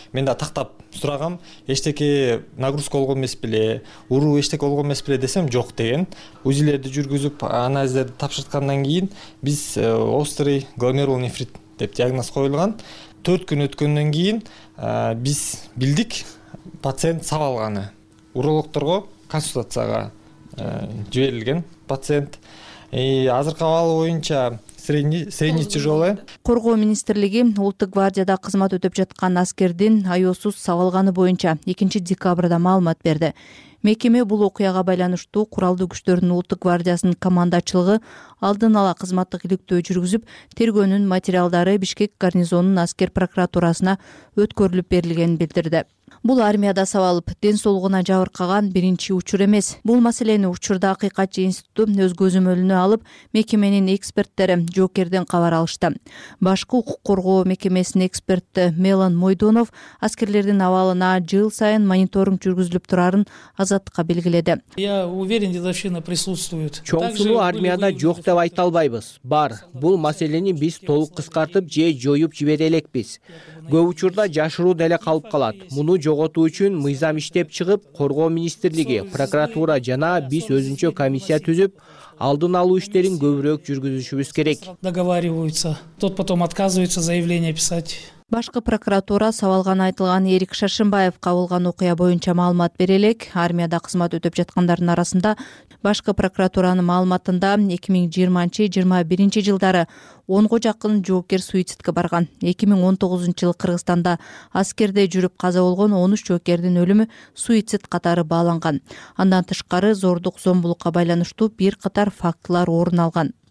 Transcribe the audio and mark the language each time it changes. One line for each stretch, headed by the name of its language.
Kyrgyz: Мен да тактап сурагам, эчтеке нагрузка болгон эмес беле, уруу эчтеке болгон эмес беле десем, жок деген. УЗИлерди жүргүзүп, анализдерди тапшырткандан кийин биз острый гломерулный нефрит деп диагноз коюлган. 4 күн өткөндөн кийин биз билдик пациент сап алганы. Урологдорго консультацияга жиберилген пациент. Азыркы абалы боюнча
Russian: средний тяжелый.
Kyrgyz: Коргоо министрлиги Улуттук гвардияда кызмат өтөп жаткан аскердин аёосуз сап алганы боюнча 2 декабрда маалымат берди. Мекеме бул окуяга байланыштуу куралдуу күчтөрдүн Улуттук гвардиясынын командачылыгы алдын ала кызматтык иликтөө жүргүзүп, тергөөнүн материалдары Бишкек гарнизонунун аскер прокуратурасына өткөрүлүп берилгенин билдирди. Бул армияда сап алып, ден соолугуна жабыркаган биринчи учур эмес. Бул маселени учурда акыйкатчы институту өз көзөмөлүнө алып, мекеменин эксперттери жоокерден кабар алышты. Башкы укук коргоо мекемесинин эксперти Мелан Мойдонов аскерлердин абалына жыл сайын мониторинг жүргүзүлүп турарын Азаттыкка белгиледи.
Russian: Я уверен, дедовщина присутствует.
Kyrgyz: Чоңсулу армияда жок деп айта албайбыз. Бар. Бул маселени биз толук кыскартып же жоюп жибере элекпиз. Көп учурда жашыруу деле калып калат. Муну жоготуу үчүн мыйзам иштеп чыгып, коргоо министрлиги, прокуратура жана биз өзүнчө комиссия түзүп, алдын алуу иштерин көбүрөөк жүргүзүшүбүз керек.
Russian: Договариваются. Тот потом отказывается заявление писать.
Kyrgyz: Башкы прокуратура сабалганы айтылган Эрик Шаршембаев кабылган окуя боюнча маалымат бере элек. Армияда кызмат өтөп жаткандардын арасында башкы прокуратуранын маалыматында 2020-21 жылдары 10 жакын жоокер суицидке барган. 2019 жылы Кыргызстанда аскерде жүрүп каза болгон 13 жоокердин өлүмү суицид катары бааланган. Андан тышкары зордук зомбулукка байланыштуу бир катар фактылар орун алган.